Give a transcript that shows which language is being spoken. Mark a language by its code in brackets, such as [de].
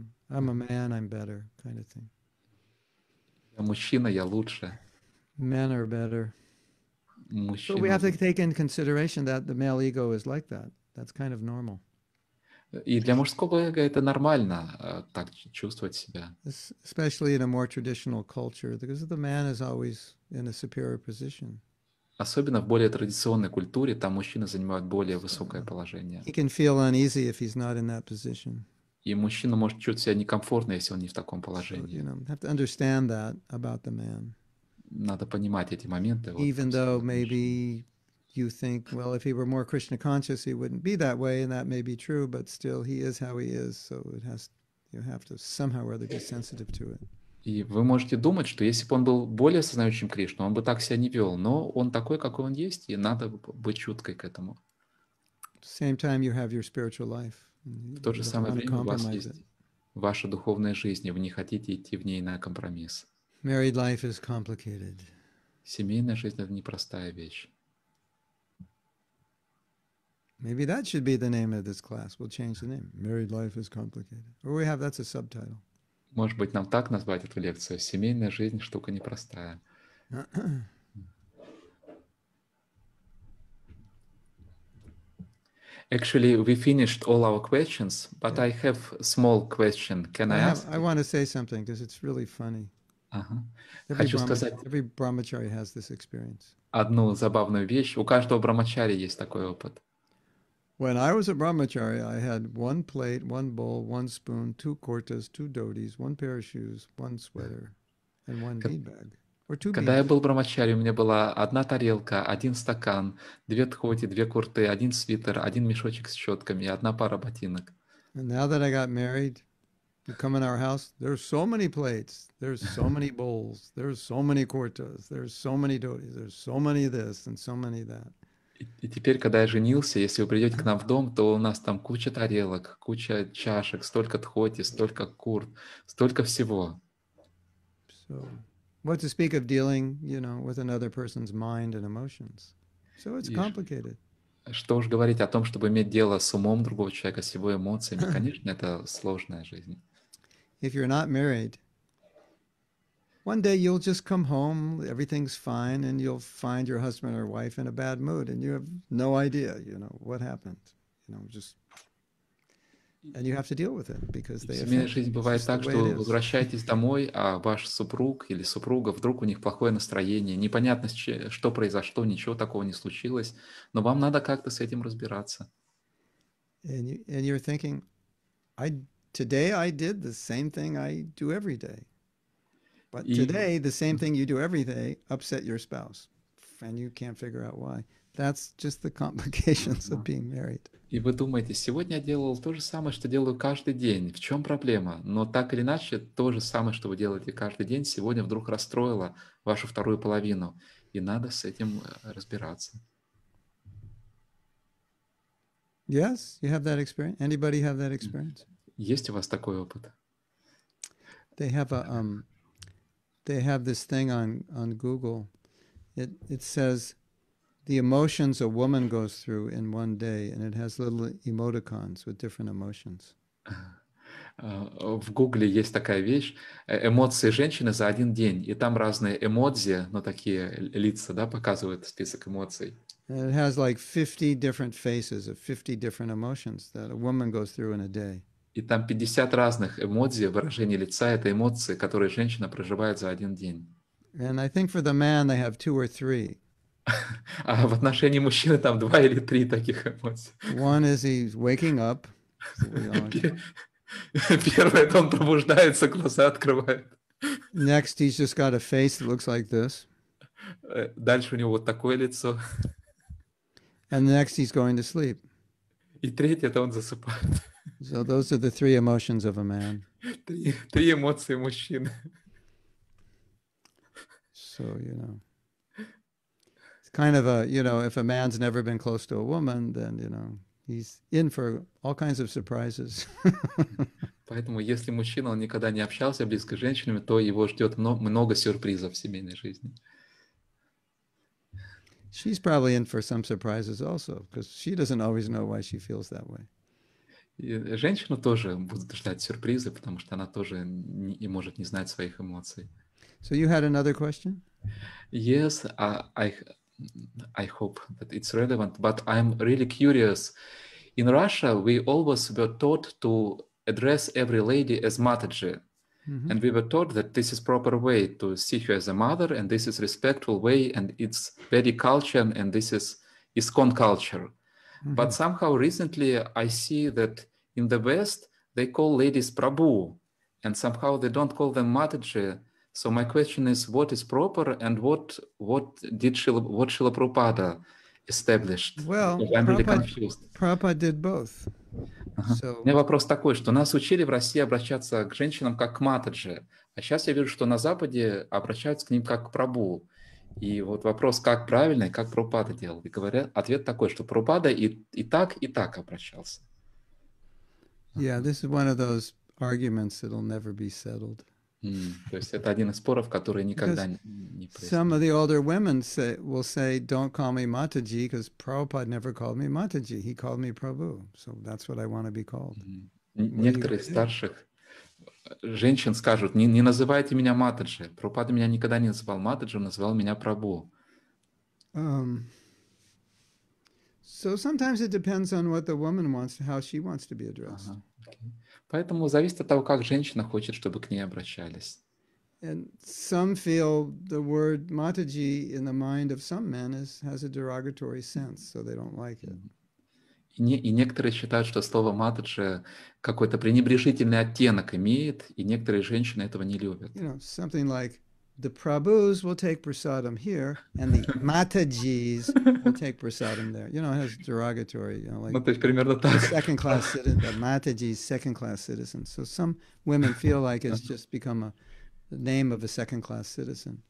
[en] I'm a man, I'm better, kind of thing. [ru] Я мужчина, я лучше. [en] Men are better. [ru] Мужчина. [en] So we have to take in consideration that the male ego is like that. That's kind of normal. [ru] И для мужского эго это нормально так чувствовать себя. [en] Especially in a more traditional culture, because the man is always in a superior position. [ru] Особенно в более традиционной культуре, там мужчины занимают более высокое положение. [en] He can feel uneasy if he's not in that position. [ru] И мужчина может чувствовать себя некомфортно, если он не в таком положении. [en] So, you know, have to understand that about the man. [ru] Надо понимать эти моменты. [en] Even though maybe you think, well, if he were more Krishna conscious, he wouldn't be that way, and that may be true, but still, he is how he is, so it has, you have to somehow or other be sensitive to it. [ru] И вы можете думать, что если бы он был более сознающим Кришну, он бы так себя не вел, но он такой, какой он есть, и надо быть чуткой к этому. [en] Same time you have your spiritual life. [ru] В то же самое время у вас есть ваша духовная жизнь, и вы не хотите идти в ней на компромисс. [en] Married life is complicated. [ru] Семейная жизнь — это непростая вещь. [en] Maybe that should be the name of this class. We'll change the name. Married life is complicated. Or we have, that's a subtitle. [ru] Может быть, нам так назвать эту лекцию. Семейная жизнь — штука непростая. [en] Actually, we finished all our questions, but yeah. I have a small question. Can I ask? I want to say something because it's really funny. Every brahmachari has this experience. [ru] Одну забавную вещь. У каждого брахмачари есть такой опыт. [en] When I was a brahmachari, I had one plate, one bowl, one spoon, two kurtas, two dhotis, one pair of shoes, one sweater, and one bead bag. [ru] Когда я был брахмачари, у меня была одна тарелка, один стакан, две дхоти, две курты, один свитер, один мешочек с щетками, одна пара ботинок. [en] And now that I got married, you come in our house, there's so many plates, there's so many bowls, there's so many kurtas, there's so many dhotis, there's so many this and so many that. [ru] И теперь, когда я женился, если вы придете к нам в дом, то у нас там куча тарелок, куча чашек, столько дхоти, столько курт, столько всего. [en] So, what to speak of dealing, you know, with another person's mind and emotions. So it's complicated. [ru] Что уж говорить о том, чтобы иметь дело с умом другого человека, с его эмоциями. Конечно, это сложная жизнь. [en] If you're not married, one day you'll just come home, everything's fine, and you'll find your husband or wife in a bad mood, and you have no idea, you know, what happened. You know, just... And you have to deal with it, because they have... [ru] Семейная жизнь бывает так, что вы возвращаетесь домой, а ваш супруг или супруга, вдруг у них плохое настроение, непонятно, что произошло, ничего такого не случилось, но вам надо как-то с этим разбираться. [en] And you're thinking, today I did the same thing I do every day. But today, the same thing you do every day upset your spouse, and you can't figure out why. That's just the complications of being married. [ru] И вы думаете, сегодня я делал то же самое, что делаю каждый день. В чем проблема? Но так или иначе, то же самое, что вы делаете каждый день, сегодня вдруг расстроило вашу вторую половину. И надо с этим разбираться. [en] Yes, you have that experience. Anybody have that experience? [ru] Есть у вас такой опыт? [en] They have a... They have this thing on Google. It says the emotions a woman goes through in one day, and it has little emoticons with different emotions. [ru] В Гугле есть такая вещь: эмоции женщины за один день, и там разные эмодзи, но такие лица, да, показывают список эмоций. [en] And it has like 50 different faces of 50 different emotions that a woman goes through in a day. [ru] И там 50 разных эмодзи, выражений лица, это эмоции, которые женщина проживает за один день. А в отношении мужчины там два или три таких эмоций. [en] One is he's waking up. [ru] Первое, это он пробуждается, глаза открывает. [en] Next, he's just got a face that looks like this. [ru] Дальше у него вот такое лицо. [en] And next, he's going to sleep. [ru] И третье, это он засыпает. [en] So those are the three emotions of a man. [ru] Три эмоции мужчины. [en] So, you know. It's kind of a, you know, if a man's never been close to a woman, then, you know, he's in for all kinds of surprises. [ru] Поэтому если мужчина, он никогда не общался близко с женщинами, то его ждет много сюрпризов в семейной жизни. [en] She's probably in for some surprises also, because she doesn't always know why she feels that way. [ru] И женщину тоже будут ждать сюрпризы, потому что она тоже не может не знать своих эмоций. [en] So you had another question? Yes, I hope that it's relevant, but I'm really curious. In Russia, we always were taught to address every lady as Mataji. Mm-hmm. And we were taught that this is proper way to see her as a mother, and this is respectful way, and it's Vedic culture, and this is ISKCON culture. Mm-hmm. But somehow recently I see that in the West they call ladies Prabhu, and somehow they don't call them Mataji. So my question is, what is proper and what Srila Prabhupada established? Well, I'm really confused. Prabhupada did both. [ru] У меня вопрос такой, что нас учили в России обращаться к женщинам как к Матаджи, а сейчас я вижу, что на Западе обращаются к ним как к Прабу. И вот вопрос, как правильно и как Прабхупада делал. И говорят, ответ такой, что Прабхупада и так обращался. [en] Yeah, this is one of those arguments that'll never be settled. [ru] То есть это один из споров, который никогда не происходит. [en] Some of the older women say, will say, don't call me Mataji, because Prabhupada never called me Mataji. He called me Prabhu. So that's what I want to be called. [ru] Некоторые старших женщин скажут, не называйте меня Матаджи. Прабхупада меня никогда не называл Матаджи, он называл меня Прабху. [en] So sometimes it depends on what the woman wants, how she wants to be addressed. [ru] Поэтому зависит от того, как женщина хочет, чтобы к ней обращались. [en] And some feel the word Mataji in the mind of some men is, has a derogatory sense, so they don't like it. [ru] И некоторые считают, что слово Матаджи какой-то пренебрежительный оттенок имеет, и некоторые женщины этого не любят. [en] You know, something like the Prabhus will take prasadam here, and the Matajis will take prasadam there. You know, it has derogatory, you know, like [ru] ну, то есть, примерно так. [en] Second-class citizens, the Matajis, second-class citizens. So some women feel like it's just become the name of a second-class citizen.